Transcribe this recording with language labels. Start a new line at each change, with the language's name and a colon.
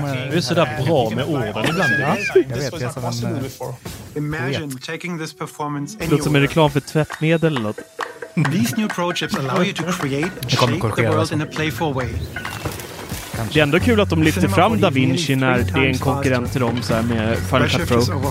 Swedish: Du är sådär bra med orden ibland. Ja, jag vet. Det är som låter som en reklam för tvättmedel eller något.
English: These new pro chips allow you to create and shape the world in a playful way.
Swedish: Det är ändå kul att de lyfter fram Da Vinci när det är en konkurrent till dem så här med Final Cut Pro.